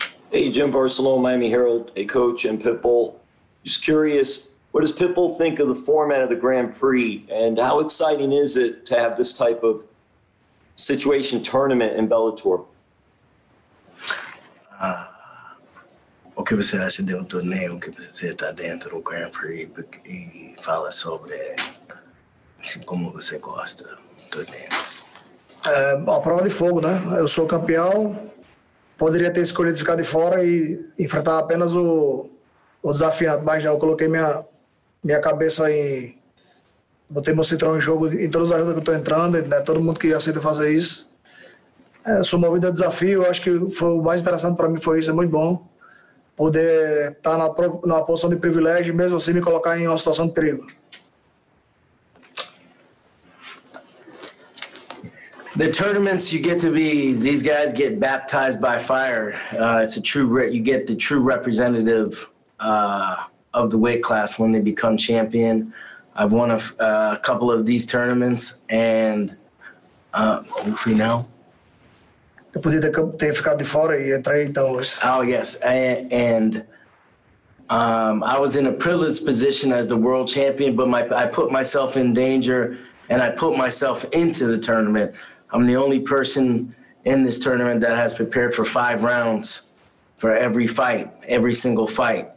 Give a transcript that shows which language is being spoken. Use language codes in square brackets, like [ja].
[en] Hey, Jim Barcelona, Miami Herald, a coach and Pitbull. Just curious, what does Pitbull think of the format of the Grand Prix and how exciting is it to have this type of situation tournament in Bellator? [pt] O que você acha de torneio que você está dentro do Grand Prix e fala sobre como você gosta de torneios? É a prova de fogo, né? Eu sou campeão, poderia ter escolhido ficar de fora e enfrentar apenas o desafiante, mas já eu coloquei minha cabeça em... Botei meu cinturão em jogo em todas as rodas que eu estou entrando, né? Todo mundo que aceita fazer isso. É, sou movido a desafio, acho que foi o mais interessante para mim foi isso, é muito bom. Poder estar na posição de privilégio, mesmo assim me colocar em uma situação de perigo. [en] The tournaments you get to be, these guys get baptized by fire. It's a true, you get the true representative of the weight class when they become champion. I've won a couple of these tournaments and hopefully now. [pt] Eu podia ter ficado de fora e entrei então. [en] Oh, yes. And I was in a privileged position as the world champion, but I put myself in danger and I put myself into the tournament. I'm the only person in this tournament that has prepared for 5 rounds for every fight, every single fight.